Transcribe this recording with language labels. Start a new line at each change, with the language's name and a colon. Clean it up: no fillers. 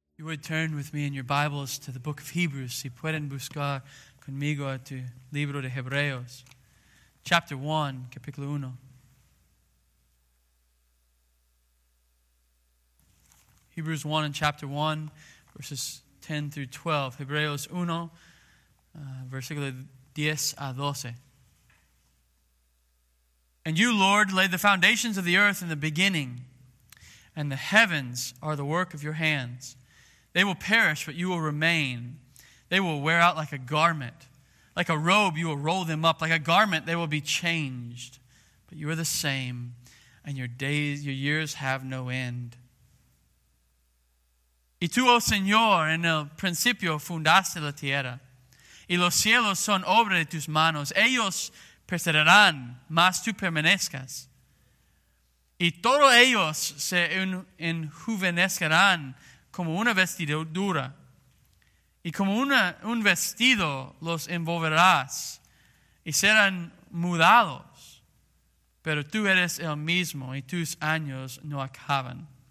English: You would turn with me in your Bibles to the book of Hebrews.
Spanish: Si pueden buscar conmigo a tu libro de Hebreos.
English: Chapter 1,
Spanish: capítulo 1.
English: Hebrews 1 and chapter 1, verses 10 through 12.
Spanish: Hebreos 1, versículo 10 a 12.
English: And you, Lord, laid the foundations of the earth in the beginning, and the heavens are the work of your hands. They will perish, but you will remain. They will wear out like a garment. Like a robe, you will roll them up. Like a garment, they will be changed. But you are the same, and your days, your years have no end.
Spanish: Y tú, oh Señor, en el principio fundaste la tierra. Y los cielos son obra de tus manos. Ellos perecerán, mas tú permanezcas. Y todos ellos se enjuvenecerán como una vestidura, y como un vestido los envolverás, y serán mudados, pero tú eres el mismo, y tus años no acaban.